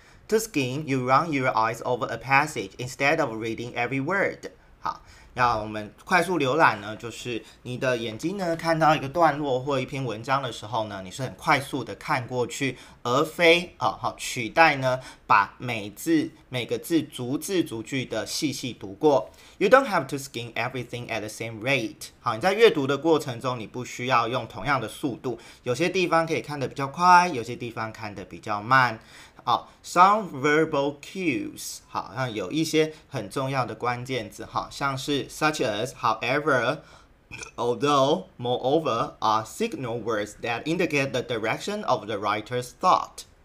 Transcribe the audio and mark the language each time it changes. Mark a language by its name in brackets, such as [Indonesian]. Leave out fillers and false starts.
[English] To skim, you run your eyes over a passage instead of reading every word。 好。 [Chinese] 那我们快速浏览呢，就是你的眼睛呢看到一个段落或一篇文章的时候呢，你是很快速的看过去，而非取代呢把每字每个字逐字逐句的细细读过。 [English] You don't have to skim everything at the same rate。 [Chinese] 好，你在阅读的过程中，你不需要用同样的速度，有些地方可以看得比较快，有些地方看得比较慢。 [English] 好，some verbal cues， [Chinese] 好像有一些很重要的关键字，哈，像是 [English] such as、however、although、moreover are signal words that indicate the direction of the writer's thought。